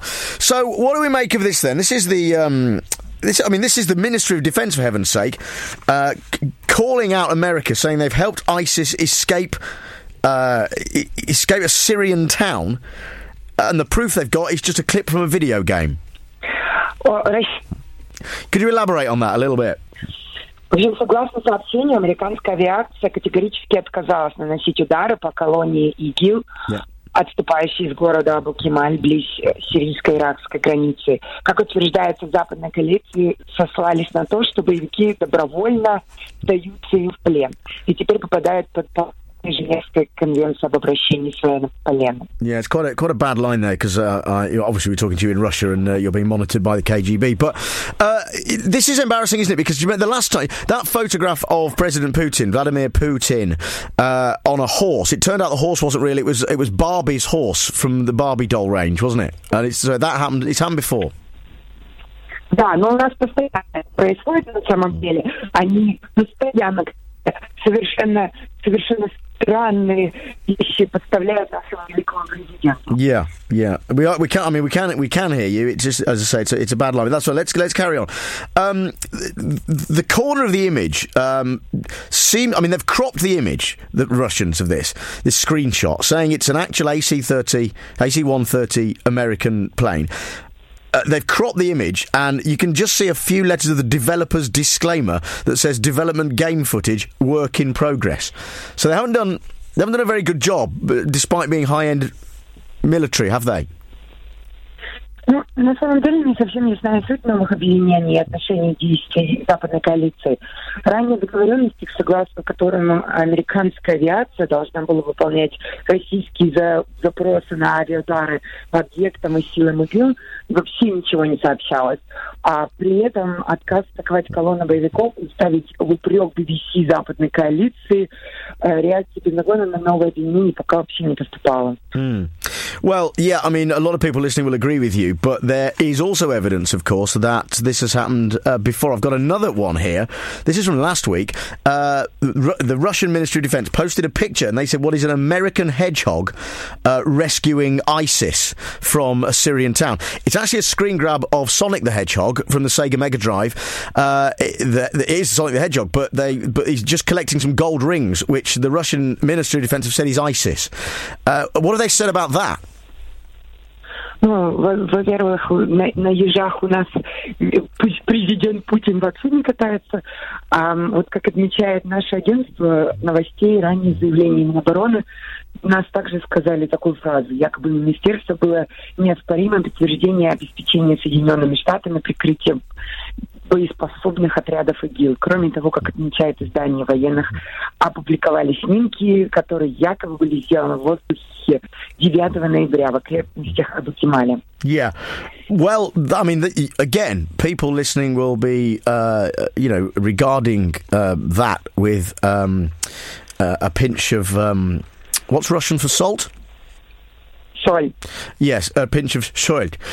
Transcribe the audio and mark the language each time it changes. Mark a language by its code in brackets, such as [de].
[en] So, what do we make of this then? This is the this is the Ministry of Defense, for heaven's sake, calling out America, saying they've helped ISIS escape escape a Syrian town, and the proof they've got is just a clip from a video game. Could you elaborate on that a little bit? [ru] В общем, согласно сообщению, американская авиация категорически отказалась наносить удары по колонии ИГИЛ, отступающей из города Абу-Кемаль, близ сирийско-иракской границы. Как утверждается, западные коалиции сослались на то, что боевики добровольно сдаются им в плен. И теперь попадают под Женевскую конвенцию об обращении с военным в плен. [en] Yeah, it's quite a bad line there, because obviously we're talking to you in Russia and you're being monitored by the KGB. But this is embarrassing, isn't it? Because you remember the last time, that photograph of President Putin, Vladimir Putin, on a horse. It turned out the horse wasn't real. It was Barbie's horse from the Barbie doll range, wasn't it? And it's happened before. [ru] Да, но у нас постоянно происходит на самом деле. Они постоянно совершенно странные вещи подставляют нашего великого президента. [en] Yeah. Yeah, we can hear you. It's just, as I say, it's a bad line. That's right. Let's carry on. The corner of the image they've cropped the image, the Russians, of this screenshot, saying it's an actual AC-130 American plane. They've cropped the image, and you can just see a few letters of the developer's disclaimer that says development game footage, work in progress. So they haven't done a very good job, despite being high end. Military, have they? [ru] Ну, на самом деле, не совсем ясна суть новых обвинений и отношений действий западной коалиции. Ранее договоренности, согласно которым американская авиация должна была выполнять российские запросы на авиаудары по объектам и силам ИГИЛ, вообще ничего не сообщалось. А при этом отказ атаковать колонну боевиков и ставить в упрек BBC западной коалиции, реакции Пентагона на новые обвинения пока вообще не поступало. [en] Well, yeah, I mean, a lot of people listening will agree with you, but there is also evidence, of course, that this has happened before. I've got another one here. This is from last week. The Russian Ministry of Defense posted a picture, and they said, what is an American hedgehog rescuing ISIS from a Syrian town? It's actually a screen grab of Sonic the Hedgehog from the Sega Mega Drive. It is Sonic the Hedgehog, but he's just collecting some gold rings, which the Russian Ministry of Defense have said is ISIS. What have they said about that? [ru] Ну, во-первых, на ежах у нас президент Путин вообще не катается. А вот как отмечает наше агентство новостей, ранее заявление Минобороны, нас также сказали такую фразу. Якобы министерство было неоспоримо подтверждение обеспечения Соединенными Штатами прикрытием боеспособных отрядов ИГИЛ. Кроме того, как отмечает издание военных, опубликовали снимки, которые якобы были сделаны в воздухе 9 ноября в окрестностях Абу-Кемаля. [en] Yeah, well, I mean, again, people listening will be, regarding that with a pinch of, what's Russian for salt? Soil. Yes, a pinch of soil.